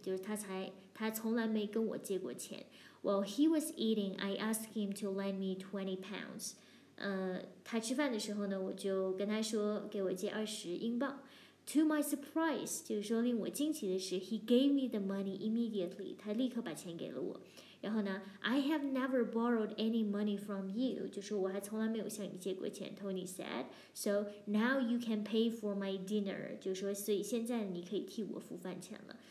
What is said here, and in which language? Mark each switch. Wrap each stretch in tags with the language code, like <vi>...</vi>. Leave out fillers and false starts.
<zh>就是他从来没跟我借过钱。</zh> <en>While he was eating, I asked him to lend me 20 pounds.</en> <zh>他吃饭的时候呢，我就跟他说给我借20英镑。</zh> <en>To my surprise,</en> <zh>就是说令我惊奇的是</zh> <en>he gave me the money immediately.</en> <zh>他立刻把钱给了我。然后呢</zh> <en>I have never borrowed any money from you.</en> <zh>就是我还从来没有向你借过钱</zh> <en>Tony said. So now you can pay for my dinner.</en> <zh>就是说所以现在你可以替我付饭钱了。</zh>